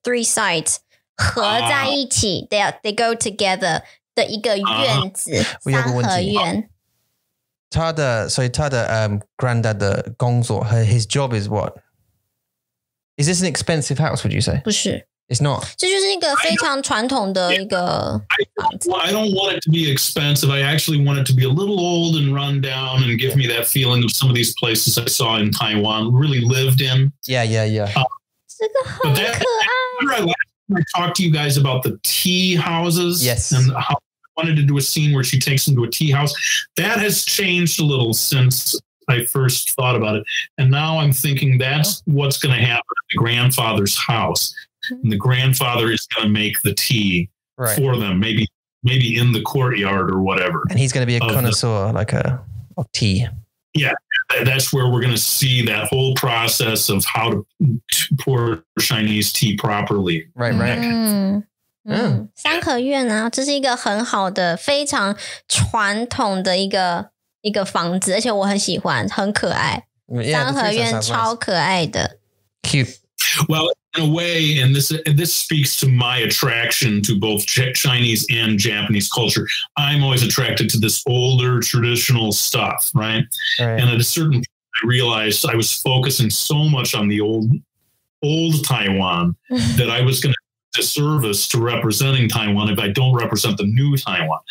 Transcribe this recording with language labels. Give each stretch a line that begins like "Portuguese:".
English: Three sides.
Chinese: 合在一起,
English: they go together.
Chinese: 的一个院子, 三合院. 他的,
English: so 他的, granddad
Chinese: 的工作,
English: his job is what? Is this an expensive house, would you say?
Chinese: 不是.
English: It's not.
Chinese: 这就是一个非常传统的一个...
English: I don't want it to be expensive. I actually want it to be a little old and run down and give me that feeling of some of these places I saw in Taiwan, really lived in. Yeah.
Chinese: 这个很可爱。
English: I talked to you guys about the tea houses. Yes. And how I wanted to do a scene where she takes them to a tea house. That has changed a little since I first thought about it. And now I'm thinking that's what's going to happen at the grandfather's house. And the grandfather is going to make the tea for them, maybe in the courtyard or whatever. And he's going to be a connoisseur, of tea. Yeah, that's where we're going to see that whole process of how to pour Chinese tea properly. Right. Mm. Mm.
Chinese: 三合院啊, 这是一个很好的, 非常传统的一个房子, 而且我很喜欢, 很可爱, 三合院超可爱的。
English: Cute. Well, in a way, and this speaks to my attraction to both Chinese and Japanese culture. I'm always attracted to this older traditional stuff, right? And at a certain point, I realized I was focusing so much on the old Taiwan that I was going to do a disservice to representing Taiwan if I don't represent the new Taiwan.